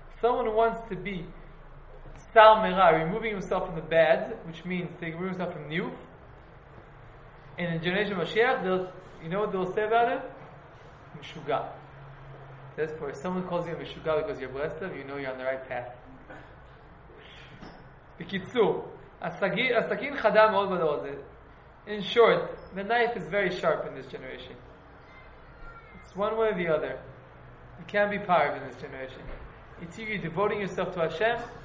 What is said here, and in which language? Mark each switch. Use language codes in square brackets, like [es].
[en] Someone who wants to be sar mera, removing himself from the bad, which means taking himself from niuf. And in the generation of Mashiach, you know what they'll say about it? Mishuga. That's for someone calls you a mishuga because you're blessed them, you know you're on the right path. [he] בקיצור, הסכין חדה מאוד בדור הזה. [en] In short, the knife is very sharp in this generation. It's one way or the other. You can't be parved in this generation. It's either you're devoting yourself to Hashem.